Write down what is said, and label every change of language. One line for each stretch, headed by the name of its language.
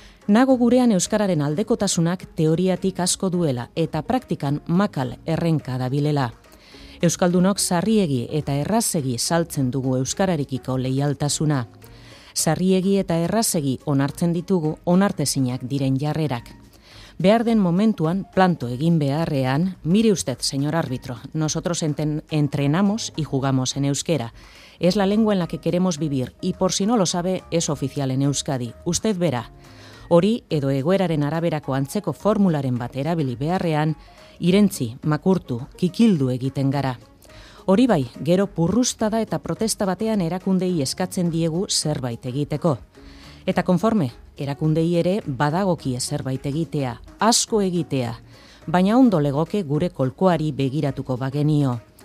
Basque: Nago gurean euskararen aldekotasunak teoriatik asko duela eta praktikan makal errenka dabilela. Euskaldunok sarriegi eta errazegi saltzen dugu euskararekiko leialtasuna. Sarriegi eta errazegi onartzen ditugu onartezinak diren jarrerak. Behar den momentuan planto egin beharrean,
Spanish: mire usted, señor árbitro, nosotros entrenamos y jugamos en euskera. Es la lengua en la que queremos vivir y por si no lo sabe, es oficial en Euskadi. Usted verá.
Basque: Hori edo egoeraren araberako antzeko formularen bat erabili beharrean, irentzi, makurtu, kikildu egiten gara. Hori bai, gero purrustada eta protesta batean erakundei eskatzen diegu zerbait egiteko. Eta konforme, erakundei ere badagokie zerbait egitea, asko egitea, baina ondo legoke gure kolkoari begiratuko bagenio.